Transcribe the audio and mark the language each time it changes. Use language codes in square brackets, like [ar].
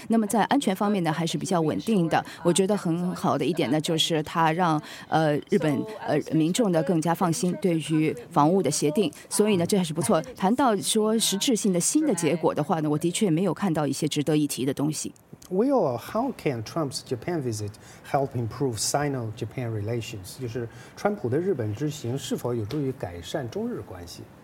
[zh] 那么在安全方面呢还是比较稳定的，我觉得很好的一点呢就是他让日本民众呢更加放心对于防务的协定，所以呢这还是不错。谈到说实质性的新的结果的话呢，我的确没有看到一些值得一提的东西。 [en] Will, how can Trump's Japan visit help improve Sino-Japan relations? [zh] 就是川普的日本之行是否有助于改善中日关系？